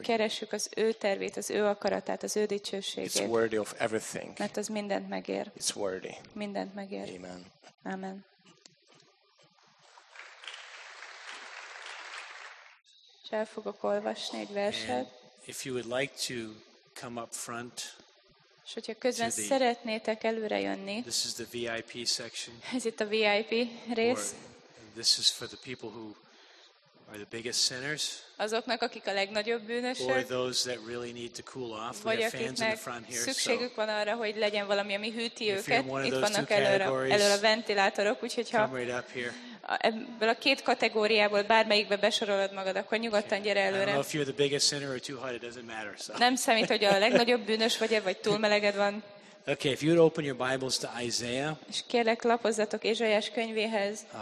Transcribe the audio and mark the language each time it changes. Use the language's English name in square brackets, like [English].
[Hungarian] Keressük az ő tervét, az ő akaratát, az ő dicsőségét. [English] It's worthy of everything. [Hungarian] Mert az mindent megér. [English] It's worthy. [Hungarian] Mindent megér. [English] Amen. [Hungarian] Amen. El fogok olvasni egy verset. [English] If you would like to come up front, [Hungarian] és hogyha közben szeretnétek előre jönni, [English] this is the VIP section. [Hungarian] Ez itt a VIP rész. [English] This is for the people who are the biggest sinners. [Hungarian] Azoknak, akik a legnagyobb bűnösök. [English] Or those that really need to cool off. We have fans in the front here. [Hungarian] Szükségük van arra, hogy legyen valami, ami hűti őket. Itt vannak előre a ventilátorok, úgyhogy ha. [English] Come right up here. [Hungarian] Ebből a két kategóriából bármelyikbe besorolod magad, akkor nyugodtan gyere előre. [English] If you're the biggest sinner or too hot, it doesn't matter. So. [Hungarian] Nem számít, hogy a legnagyobb bűnös vagy-e, vagy túl meleged van. [English] Okay, if you would open your Bibles to Isaiah. [Hungarian] És kérlek, lapozzatok Ézsaiás könyvéhez.